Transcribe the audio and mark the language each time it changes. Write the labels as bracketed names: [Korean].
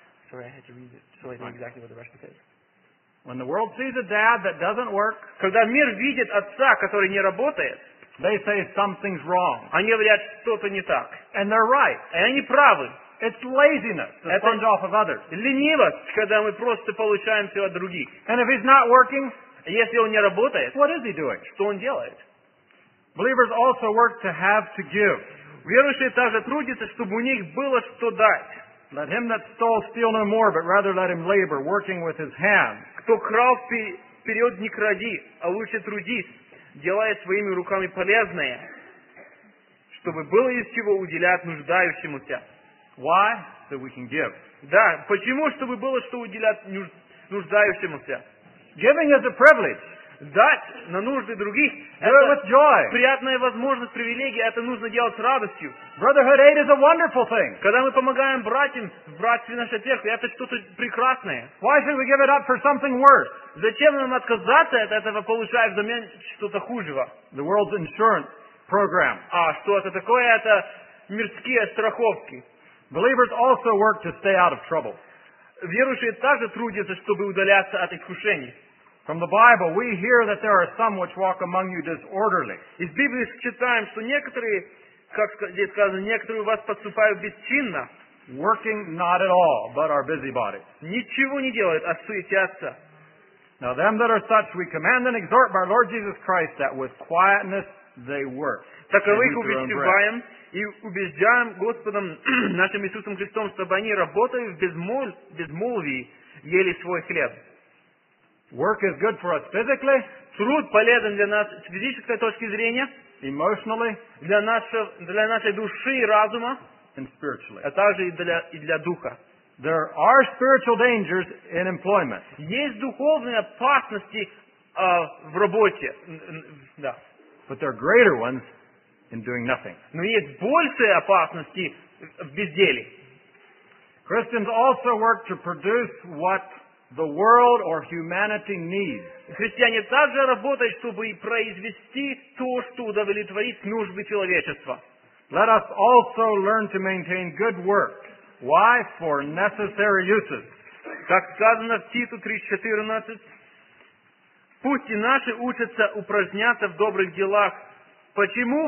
[English] Sorry, I had to read it so I know exactly what the rest of it is. When the world sees a dad that doesn't work, [Russian] когда мир видит отца, который не работает, [English] they say something's wrong. [Russian] Они говорят, что-то не так. [English] And they're right. [Russian] И они правы. [English] It's laziness to sponge off of others. [Russian] Ленивость, когда мы просто получаем все от других. [English] And if he's not working, [Russian] если он не работает, [English] what is he doing? [Russian] Что он делает? [English] Believers also work to have to give. [Russian] Верующие также трудятся, чтобы у них было что дать. [English] Let him that stole steal no more, but rather let him labor, working with his hands. [Russian] Кто крал, вперед не кради, а лучше трудись, делая своими руками полезное, чтобы было из чего уделять нуждающемуся. [English] Why? So we can give. [Russian] Да, почему, чтобы было что уделять нуждающемуся? [English] Giving is a privilege. [Russian] Дать на нужды других – это приятная возможность, привилегия, это нужно делать с радостью. [English] Brotherhood aid is a wonderful thing. [Russian] Когда мы помогаем братьям в братстве нашей церкви, это что-то прекрасное. [English] Why should we give it up for something worse? [Russian] Зачем нам отказаться от этого, получая взамен что-то хужего? [English] The world's insurance program. [Russian] А что это такое? Это мирские страховки. [English] Believers also work to stay out of trouble. [Russian] Верующие также трудятся, чтобы удаляться от искушений. [English] From the Bible, we hear that there are some which walk among you disorderly. [Russian] Из Библии читаем, что некоторые, как здесь сказано, некоторые у вас поступают бесчинно. [English] Working not at all, but are busybodies. [Russian] Ничего не делают, а суетятся. [English] Now them that are such, we command and exhort by our Lord Jesus Christ, that with quietness they work. [Russian] Таковых увещеваем и убеждаем Господом нашим Иисусом Христом, чтобы они работали в безмолвии, ели свой хлеб. [English] Work is good for us physically. [Russian] Труд полезен для нас с физической точки зрения. [English] Emotionally. [Russian] Для нашей души и разума. [English] and spiritually. [Russian] А также и для духа. [English] There are spiritual dangers in employment. [Russian] Есть духовные опасности в работе. Да. [English] But there are greater ones in doing nothing. [Russian] Но есть большие опасности в безделии. [English] Christians also work to produce what the world or humanity needs. [Russian] Христиане также работают, чтобы произвести то, что удовлетворит нужды человечества. [English] Let us also learn to maintain good work. Why? For necessary uses. [Russian] Как сказано в Титу 3:14, пусть и наши учатся упражняться в добрых делах. Почему?